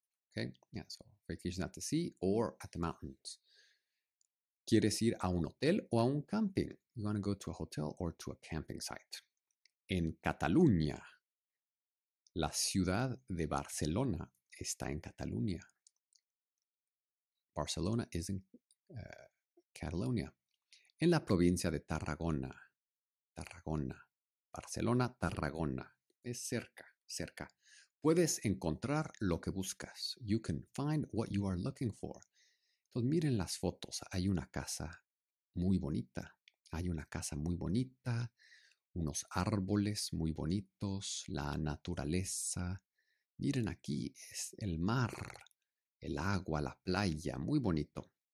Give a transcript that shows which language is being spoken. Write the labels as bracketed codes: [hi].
[en] Okay, yeah, so vacation at the sea or at the mountains. [es] ¿Quieres ir a un hotel o a un camping? [en] You want to go to a hotel or to a camping site? [es] En Cataluña, la ciudad de Barcelona está en Cataluña. [en] Barcelona is in Catalonia. [es] En la provincia de Tarragona, Tarragona, Barcelona, Tarragona, es cerca, cerca. Puedes encontrar lo que buscas. [en] You can find what you are looking for. [es] Entonces miren las fotos, hay una casa muy bonita, hay una casa muy bonita, unos árboles muy bonitos, la naturaleza. Miren aquí, es el mar, el agua, la playa, muy bonito.